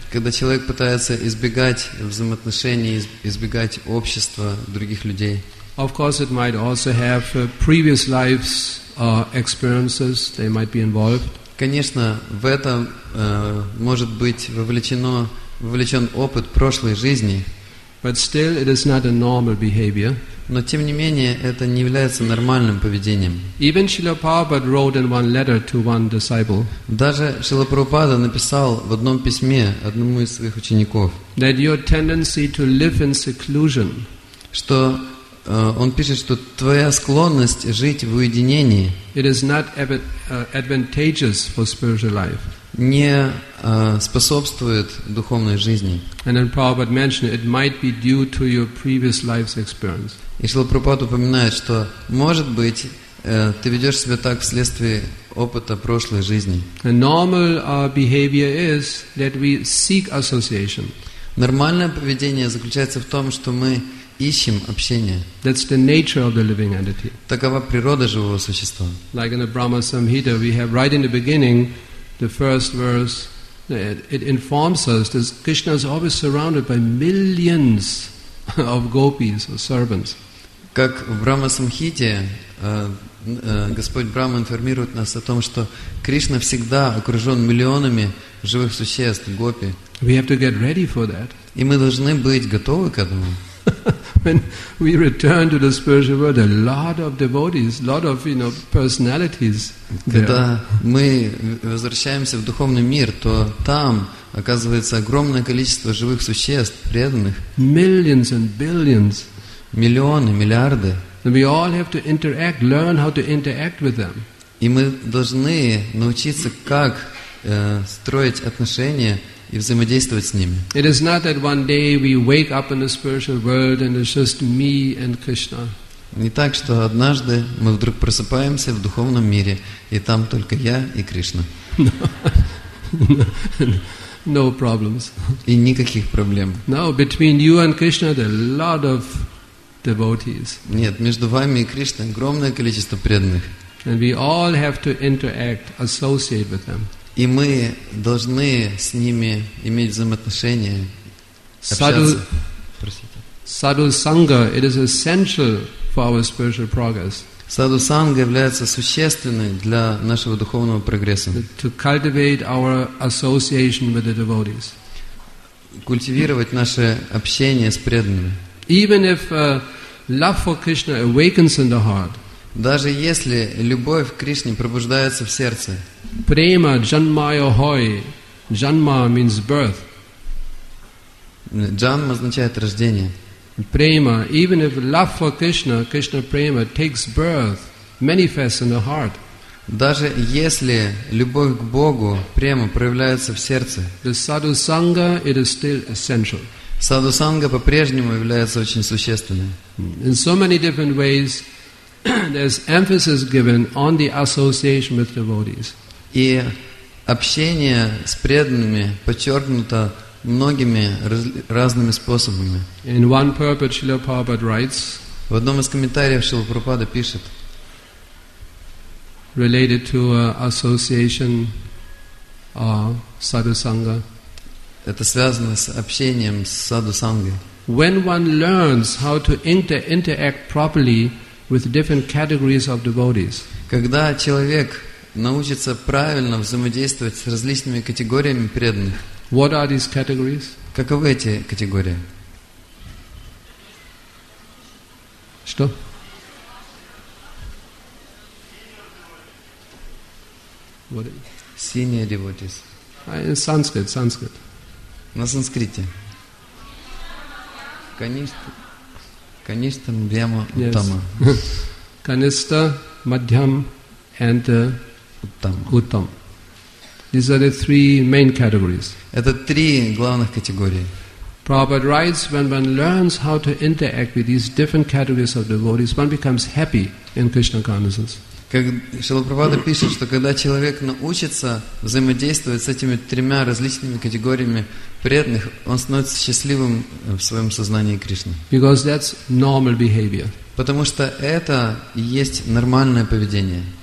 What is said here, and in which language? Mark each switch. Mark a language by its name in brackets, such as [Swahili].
[Russian] Когда человек пытается избегать взаимоотношений, избегать общества других людей. [English] Of course, it might also have previous lives experiences. They might be involved. [Russian] Конечно, в этом может быть вовлечен опыт прошлой жизни. [English] But still, it is not a normal behavior. [Russian] Но тем не менее, это не является нормальным поведением. [English] Even Srila Prabhupada wrote in one letter to one disciple. [Russian] Даже Шрила Прабхупада написал в одном письме одному из своих учеников. [English] That your tendency to live in seclusion. [Russian] Что он пишет, что твоя склонность жить в уединении. [English] It is not advantageous for spiritual life. [Russian] Не способствует духовной жизни. [English] And then Prabhupada mentioned it might be due to your previous life's experience. [Russian] И Шрила Прабхупада упоминает, что, может быть, ты ведешь себя так вследствие опыта прошлой жизни. Нормальное поведение заключается в том, что мы ищем общение. [English] That's the nature of the living entity. [Russian] Такова природа живого существа. [English] Like in the Brahma Samhita, we have right in the beginning, the first verse, It informs us that Krishna is always surrounded by millions of gopis or servants. [Russian] Как в Брахма-самхите Господь Брахма информирует нас о том, что Кришна всегда окружен миллионами живых существ, гопи. [English] We have to get ready for that. [Russian] И мы должны быть готовы к этому. [English] When we return to the spiritual world, a lot of devotees, a lot of, you know, personalities. [Russian] Когда мы возвращаемся в духовный мир, то там оказывается огромное количество живых существ, преданных. [English] Millions and billions. [Russian] Миллионы, миллиарды. [English] And we all have to interact, learn how to interact with them. [Russian] И мы должны научиться, как строить отношения и взаимодействовать с ними. [English] It is not that one day we wake up in the spiritual world and it's just me and Krishna. [Russian] Не так, что однажды мы вдруг просыпаемся в духовном мире, и там только я и Кришна. [English] No problems. [Russian] И никаких проблем. [English] No, between you and Krishna there are a lot of devotees. [Russian] Нет, между вами и Кришной огромное количество преданных. [English] And we all have to interact, associate with them. [Russian] И мы должны с ними иметь взаимоотношения, общаться. [English] Саду санга, it is essential for our spiritual progress. [Russian] Саду санга является существенной для нашего духовного прогресса. [English] To cultivate our association with the devotees. [Russian] Культивировать наше общение с преданными. [English] Even if love for Krishna awakens in the heart. [Russian] Даже если любовь к Кришне пробуждается в сердце. [Bangla] Prema janmaya hoy. [English] Janma means birth. [Russian] Janma означает рождение. [English] Prema, even if love for Krishna, Krishna prema takes birth, manifests in the heart. [Russian] Даже если любовь к Богу, према проявляется в сердце. [English] The sadhu sangha, it is still essential. [Russian] Саду санга по-прежнему является очень существенной. [English] In so many different ways, there's emphasis given on the association with devotees. [Russian] И общение с преданными подчеркнуто многими разными способами. [English] In one purport, Srila Prabhupada writes. [Russian] В одном из комментариев Шрила Прабхупада пишет. [English] Related to association sadhu sangha. [Russian] Это связано с общением с саду сангой. [English] When one learns how to interact properly with different categories of devotees. [Russian] Когда человек научится правильно взаимодействовать с различными категориями преданных. [English] What are these categories? [Russian] Каковы эти категории? Что? [English] What is? Senior devotees. Sanskrit. [Russian] На санскрите. Каништа, мадхьяма, уттама. Каништа, мадхьям, and уттам. [English] These are the three main categories. [Russian] Это три главных категории. [English] Prabhupada writes, when one learns how to interact with these different categories of devotees, one becomes happy in Krishna consciousness. [Russian] Как Шрила Прабхупада пишет, что когда человек научится взаимодействовать с этими тремя различными категориями преданных, он становится счастливым в своем сознании Кришны. [English] Because that's normal behavior. [Russian] Потому что это и есть нормальное поведение.